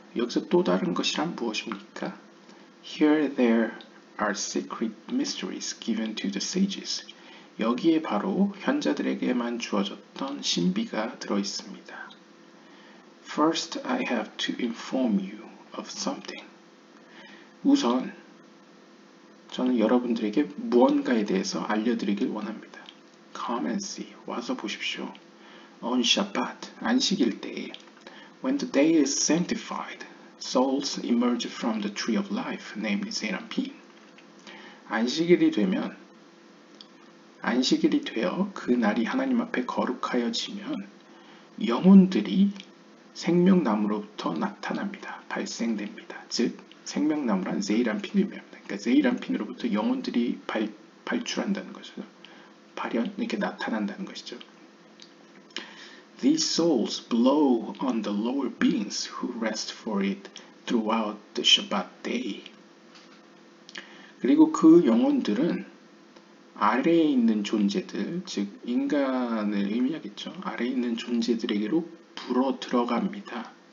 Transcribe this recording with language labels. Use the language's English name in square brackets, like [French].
[Korean] 여기서 또 다른 것이란 무엇입니까? [English] Here there are secret mysteries given to the sages. [Korean] 여기에 바로 현자들에게만 주어졌던 신비가 들어있습니다. [English] First, I have to inform you. of something. [Korean] 우선 저는 여러분들에게 무언가에 대해서 알려드리길 원합니다. [English] Come and see. [Korean] 와서 보십시오. [English] On Shabbat, [Korean] 안식일 때에. [English] When the day is sanctified, souls emerge from the tree of life, namely Serapin. [Korean] 안식일이 되면, 안식일이 되어 그 날이 하나님 앞에 거룩하여지면 영혼들이 생명나무로부터 나타납니다. 발생됩니다. 즉, 생명나무란 제이란핀을 의미합니다. 그러니까 제이란핀으로부터 영혼들이 발출한다는 것이죠. 발현, 이렇게 나타난다는 것이죠. [English] These souls blow on the lower beings who rest for it throughout the Shabbat day. [Korean] 그리고 그 영혼들은 아래에 있는 존재들, 즉 인간을 의미하겠죠. 아래에 있는 존재들에게로 불어 들어갑니다.